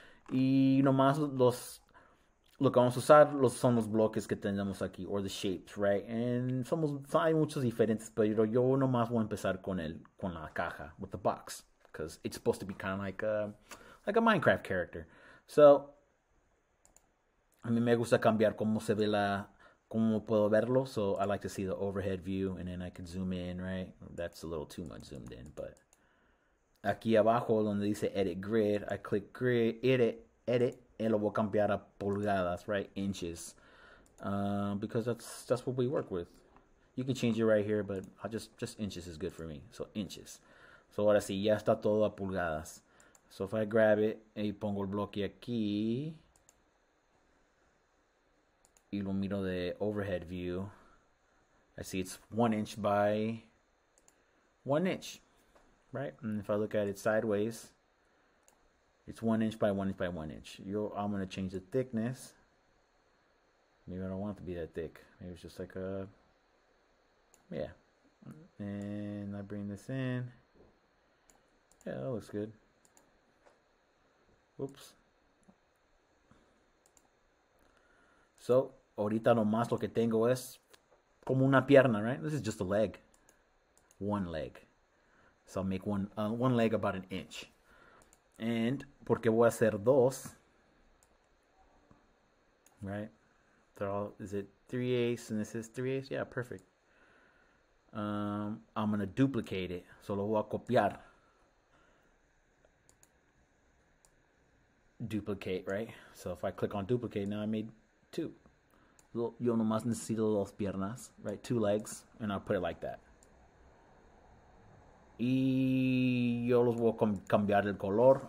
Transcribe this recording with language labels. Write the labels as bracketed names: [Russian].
[Spanish] Y nomás lo que vamos a usar son los bloques que tenemos aquí, [English] or the shapes, right? [Spanish] And hay muchos diferentes, pero yo nomás voy a empezar con la caja, [English] with the box. Because it's supposed to be kind of like a Minecraft character. [Spanish] So, a mí me gusta cambiar cómo se ve cómo puedo verlo. [English] So, I like to see the overhead view, and then I can zoom in, right? That's a little too much zoomed in, but [Spanish] aquí abajo donde dice [English] Edit Grid, I click Grid, Edit, [Spanish] y lo voy a cambiar a pulgadas, [English] right? Inches, because that's what we work with. You can change it right here, but I just inches is good for me. So inches. [Spanish] So ahora sí, ya está todo a pulgadas. [English] So if I grab it [Spanish] y pongo el bloque aquí y lo miro de [English] overhead view, I see it's 1 inch by 1 inch, right? And if I look at it sideways, it's 1 inch by 1 inch by 1 inch. I'm gonna change the thickness. Maybe I don't want it to be that thick. Maybe it's just like a, yeah. And I bring this in. Yeah, that looks good. Oops. [Spanish] So, ahorita nomás lo que tengo es como una pierna, right? [English] This is just a leg. One leg. So I'll make one leg about an inch. [Spanish] And porque voy a hacer dos, right? [English] Is it 3/8? And this is 3/8? Yeah, perfect. I'm gonna duplicate it. So [Spanish] lo voy a copiar. [English] Duplicate, right? So if I click on duplicate, now I made two. [Spanish] Yo nomás necesito dos piernas, right? [English] Two legs, and I'll put it like that. [Spanish] Y yo los voy a cambiar el color.